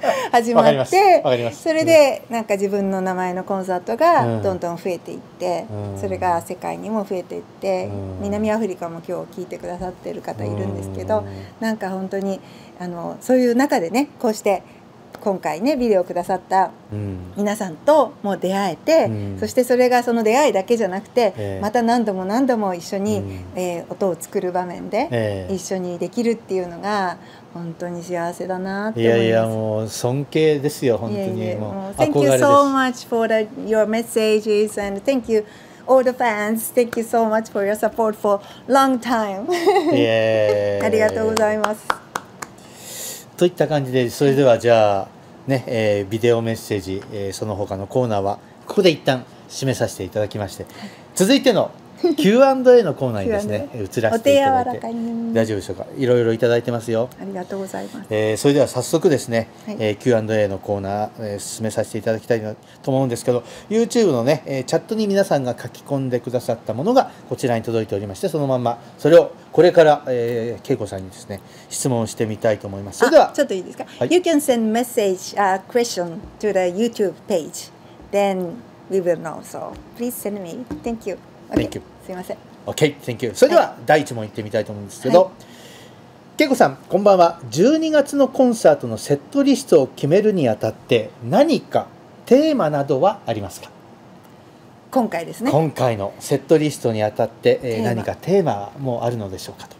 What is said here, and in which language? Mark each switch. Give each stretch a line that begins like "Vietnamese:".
Japanese: 始まって、それでなんか自分の名前のコンサートがどんどん増えていって、それが世界にも増えていって、南アフリカも今日聞いてくださってる方いるんですけど、なんか本当にそういう中でね、こうして今回ねビデオくださった皆さんとも出会えて、そしてそれがその出会いだけじゃなくて、また何度も何度も一緒に、音を作る場面で一緒にできるっていうのが本当に幸せだなって思います。いやいや、もう尊敬ですよ本当に。いやいや、もう
English: Thank you so much for your messages and thank youAll the fans, thank you so much for your support for long time. Yeah.
Japanese: ありがとうございます。といった感じで、それではじゃあね、ビデオメッセージ、その他のコーナーはここで一旦締めさせていただきまして、続いてのQ&A のコーナーにですね、移らせていただいて、大丈夫でしょうか。いろいろいただいてますよ。ありがとうございます。それでは早速ですね、はい、Q&A のコーナー、進めさせていただきたいと思うんですけど、YouTube のね、チャットに皆さんが書き込んでくださったものがこちらに届いておりまして、そのまんまそれをこれから、恵子さんにですね、質問をしてみたいと思います。それでは、ちょっといいですか。はい、
English: you can send message, question to the YouTube page. Then we will know. So please send me. Thank you. Okay. Thank you.
Japanese: すいません。
English: Okay, thank you.
Japanese: それでは、はい、第1問いってみたいと思うんですけど、はい、けいこさん、こんばんは。 12月のコンサートのセットリストを決めるにあたって何かテーマなどはありますか？今回ですね。今回のセットリストにあたって、何かテーマもあるのでしょうかと。